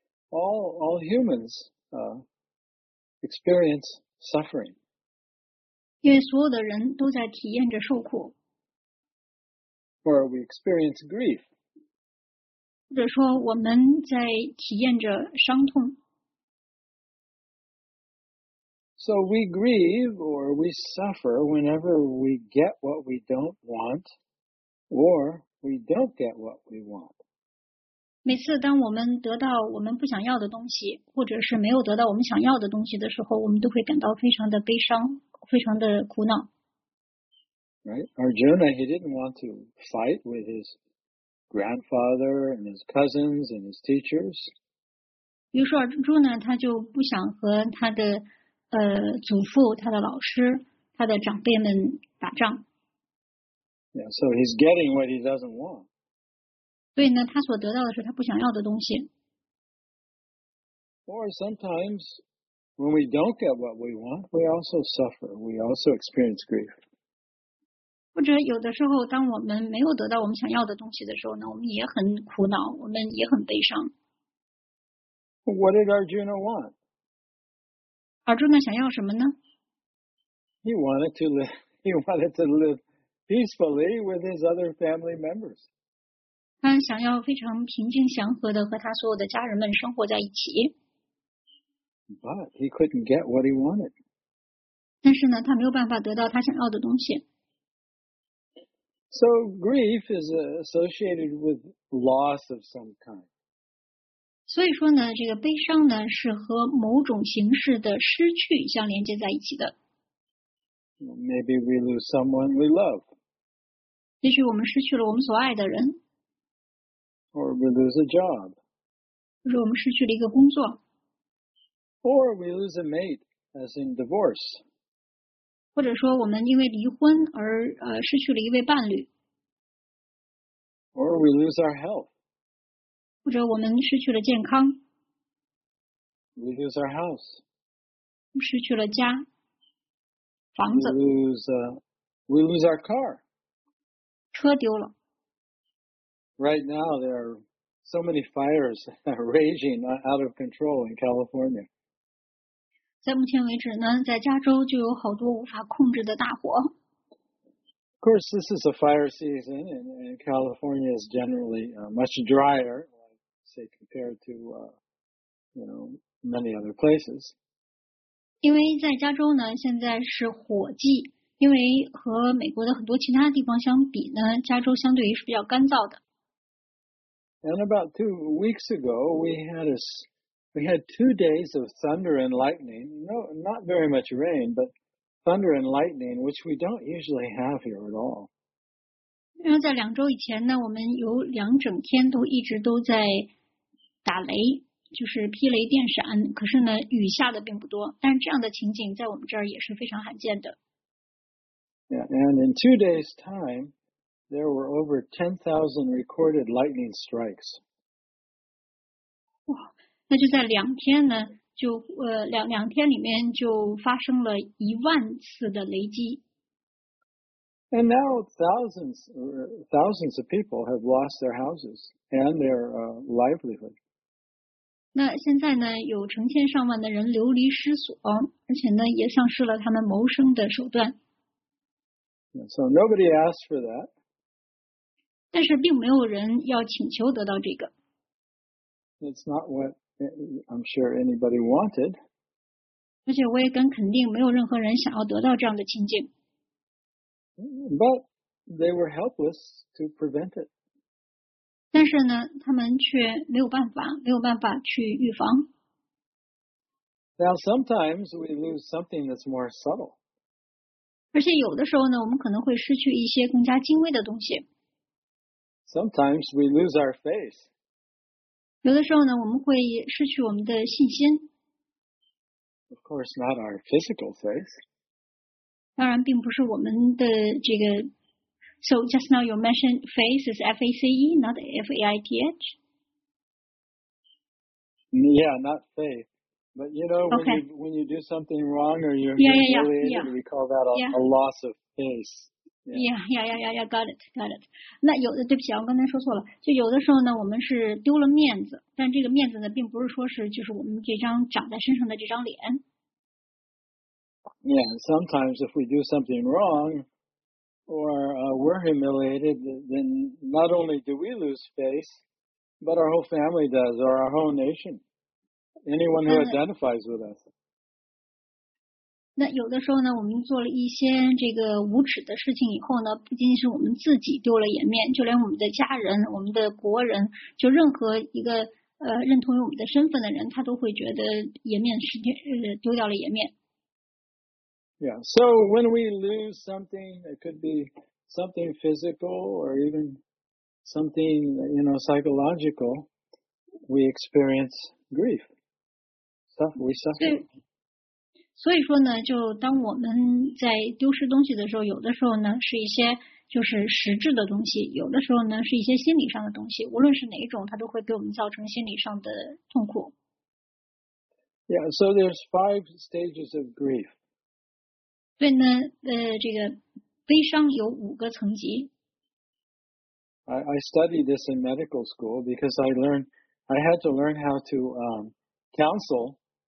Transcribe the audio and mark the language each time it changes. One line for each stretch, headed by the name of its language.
English: All humans experience suffering.
Chinese: 因为所有的人都在体验着受苦。
English: Or we experience grief.
Chinese: 或者说我们在体验着伤痛。
English: So we grieve or we suffer whenever we get what we don't want or we don't get what we want.
Chinese: 每次当我们得到我们不想要的东西，或者是没有得到我们想要的东西的时候，我们都会感到非常的悲伤，非常的苦恼。
English: Right, Arjuna, he didn't want to fight with his grandfather and his cousins and his teachers.
Chinese: 比如说 Arjuna 他就不想和他的祖父、他的老师、他的长辈们打仗。
English: Yeah, so he's getting what he doesn't want.
Chinese: 所以呢，他所得到的是他不想要的东西。
English: Or sometimes when we don't get what we want, we also suffer. We also experience grief.
Chinese: 或者有的时候，当我们没有得到我们想要的东西的时候呢，我们也很苦恼，我们也很悲伤。
English: What did Arjuna want?
Chinese: Arjuna 想要什么呢？
English: He wanted to live peacefully with his other family members.
Chinese: 他想要非常平静祥和的和他所有的家人们生活在一起。
English: But he couldn't get what he wanted.
Chinese: 但是呢，他没有办法得到他想要的东西。
English: So grief is associated with loss of some kind.
Chinese: 所以说呢，这个悲伤呢是和某种形式的失去相连接在一起的。
English: Maybe we lose someone we love.
Chinese: 也许我们失去了我们所爱的人。
English: Or we lose a job.
Chinese: 就是我们失去了一个工作。
English: Or we lose a mate, as in divorce.
Chinese: 或者说我们因为离婚而失去了一位伴侣。
English: Or we lose our health.
Chinese: 或者我们失去了健康。
English: We lose our house.
Chinese: 失去了家。房子。
English: We lose our car.
Chinese: 车丢了。
English: Right now, there are so many fires raging out of control in California.
Chinese: 在目前为止呢，在加州就有好多无法控制的大火。
English: Of course, this is a fire season, and California is generally much drier, say, compared to, many other places.
Chinese: 因为在加州呢，现在是火季，因为和美国的很多其他地方相比呢，加州相对于是比较干燥的。
English: And about 2 weeks ago, we had 2 days of thunder and lightning. No, not very much rain, but thunder and lightning, which we don't usually have here at all.
Chinese: 因为在两周以前呢，我们有两整天都一直都在打雷，就是劈雷电闪。可是呢，雨下的并不多。但是这样的情景在我们这儿也是非常罕见的。
English: Yeah, and in 2 days' time. There were over 10,000 recorded lightning strikes.
Chinese: 哇，那就在两天呢，就两天里面就发生了一万次的雷击。
English: And now thousands of people have lost their houses and their livelihood.
Chinese: 那现在呢，有成千上万的人流离失所，而且呢，也丧失了他们谋生的手段。
English: So nobody asked for that.
Chinese: 但是并没有人要请求得到这个。
English: It's not what I'm sure anybody wanted.
Chinese: 而且我也敢肯定没有任何人想要得到这样的情景。
English: But they were helpless to prevent it.
Chinese: 但是呢，他们却没有办法，没有办法去预防。
English: Now sometimes we lose something that's more subtle.
Chinese: 而且有的时候呢，我们可能会失去一些更加精微的东西。
English: Sometimes we lose our faith.
Chinese: 有的时候呢，我们会失去我们的信心。
English: Of course, not our physical faith.
Chinese: 当然，并不是我们的这个。
English: So just now you mentioned faith is F-A-C-E, not F-A-I-T-H. Yeah, not faith. But you know, when you do something wrong or you're humiliated, we call that a loss of faith. Yeah, got it.
Chinese: 那有的，对不起，我刚才说错了。就有的时候呢，我们是丢了面子，但这个面子呢，并不是说是就是我们这张长在身上的这张脸。
English: Yeah, sometimes if we do something wrong, or we're humiliated, then not only do we lose face, but our whole family does, or our whole nation, anyone who identifies with us.
Chinese: 那有的时候呢，我们做了一些这个无耻的事情以后呢，不仅仅是我们自己丢了颜面，就连我们的家人、我们的国人，就任何一个认同于我们的身份的人，他都会觉得颜面是丢掉了颜面。
English: Yeah, so when we lose something, it could be something physical or even something, you know, psychological, we experience grief. We suffer.
Chinese: 所以说呢，就当我们在丢失东西的时候，有的时候呢是一些就是实质的东西，有的时候呢是一些心理上的东西，无论是哪一种，它都会给我们造成心理上的痛苦。
English: Yeah, so there's 5 stages of grief.
Chinese: 对呢，这个悲伤有五个层级。
English: I studied this in medical school because I had to learn how to counsel.